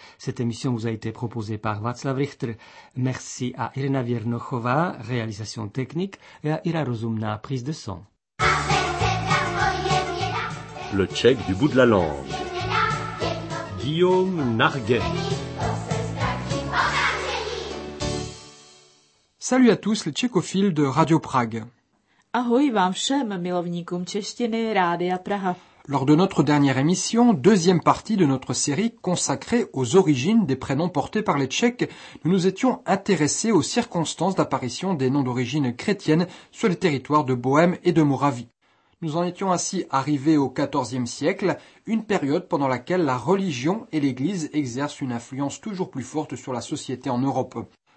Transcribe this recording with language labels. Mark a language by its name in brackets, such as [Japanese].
[French] Cette émission vous a été proposée par Václav Richter. Merci à Irena Viernochová, réalisation technique, et à Ira Rozumná, prise de son. Le tchèque du bout de la langue. Guillaume Narguet. Salut à tous, les tchécophiles de Radio Prague. [Czech] Ahoj vám všem, milovníkům češtiny, Rádia Praha. [French] Lors de notre dernière émission, deuxième partie de notre série consacrée aux origines des prénoms portés par les Tchèques, nous nous étions intéressés aux circonstances d'apparition des noms d'origine chrétienne sur les territoires de Bohême et de Moravie. Nous en étions ainsi arrivés au XIVe siècle, une période pendant laquelle la religion et l'Église exercent une influence toujours plus forte sur la société en Europe.